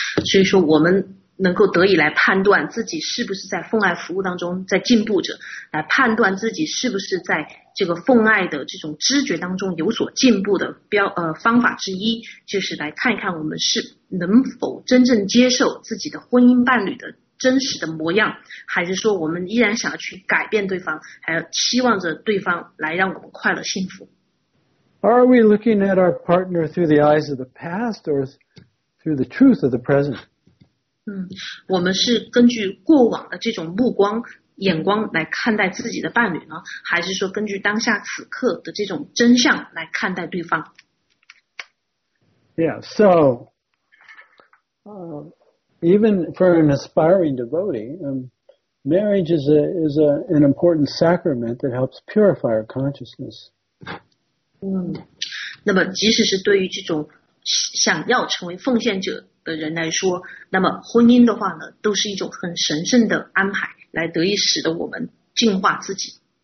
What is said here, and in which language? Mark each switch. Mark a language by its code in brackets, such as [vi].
[zh] 所以说我们能够得以来判断自己是不是在奉爱服务当中在进步着，来判断自己是不是在这个奉爱的这种知觉当中有所进步的方法之一，就是来看看我们是能否真正接受自己的婚姻伴侣的真实的模样，还是说我们依然想要去改变对方，还要期望着对方来让我们快乐幸福。 [en] Are we looking at our partner through the eyes of the past or through the truth of the present? [zh] 我们是根据过往的这种目光眼光来看待自己的伴侣呢，还是说根据当下此刻的这种真相来看待对方？ [en] Yeah, so even for an aspiring devotee, marriage is an important sacrament that helps purify our consciousness. [zh] 那么即使是对于这种想要成为奉献者的人来说，那么婚姻的话呢，都是一种很神圣的安排，来得以使得我们净化自己。